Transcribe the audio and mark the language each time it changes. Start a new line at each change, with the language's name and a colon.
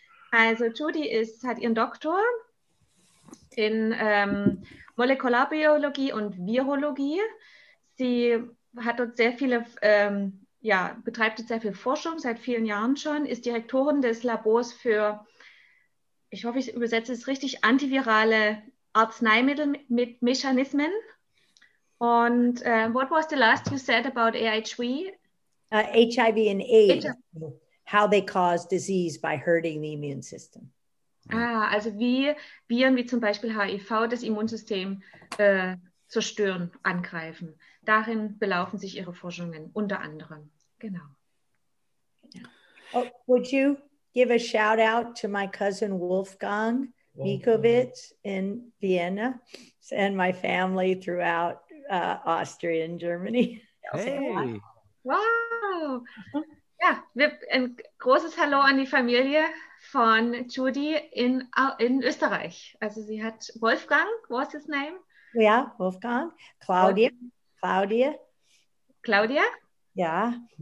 German: Also Judy hat ihren Doktor in Molekularbiologie und Virologie. Sie hat dort sehr viele, betreibt jetzt sehr viel Forschung seit vielen Jahren schon, ist Direktorin des Labors für, ich hoffe, ich übersetze es richtig, antivirale Arzneimittel mit Mechanismen.
English: Und what was the last you said about AIHV? HIV and AIDS, how they cause disease by hurting the immune system.
German: Ah, also wie Viren wie zum Beispiel HIV das Immunsystem zerstören, angreifen. Darin belaufen sich ihre Forschungen, unter anderem. Genau.
English: Yeah. Oh, would you give a shout out to my cousin Wolfgang Mikowitz in Vienna and my family throughout Austria and Germany? Hey. Wow.
German: Ja, ein großes Hallo an die Familie von Judy in Österreich. Also sie hat Wolfgang,
English: what's his name?
German: Ja, Wolfgang. Claudia. Claudia. Claudia? Ja.